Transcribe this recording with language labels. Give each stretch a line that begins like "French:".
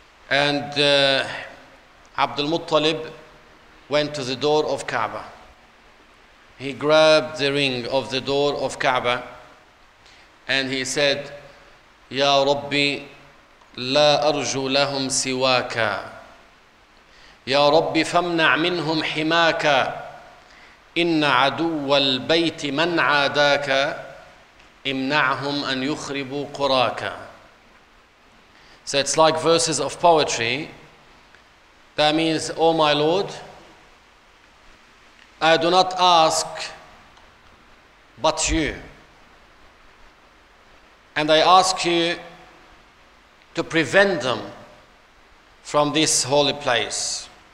English: And Abdul Muttalib went to the door of Kaaba. He grabbed the ring of the door of Kaaba and he said,
Arabic: "Ya Rabbi, la arju lahum siwaka. Ya Rabbi, famna' minhum himaka. إن عدو البيت من عاداك امنعهم أن يخربوا قراك."
English: So it's like verses of poetry. That means, "Oh my Lord, I do not ask but you. And I ask you to prevent them from this holy place.